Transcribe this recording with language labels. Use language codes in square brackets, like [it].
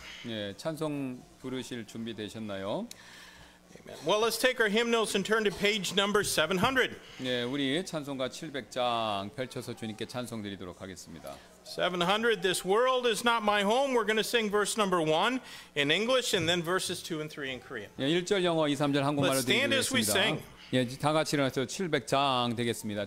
[ko] 네, 찬송 부르실 준비 되셨나요? [en] Amen. Well, let's take our hymnals and turn to page number 700. [ko] 네, 우리 찬송가 700장 펼쳐서 주님께 찬송드리도록 하겠습니다. [en] 700. This world is not my home. We're going to sing verse number 1 in English and then verses 2 and 3 in Korean. [ko] 네, 1절 영어, 2, 3절 한국말로 드리겠습니다. [en] Let's stand as we sing. [ko] 예, 다 같이 일어나서 700장 되겠습니다.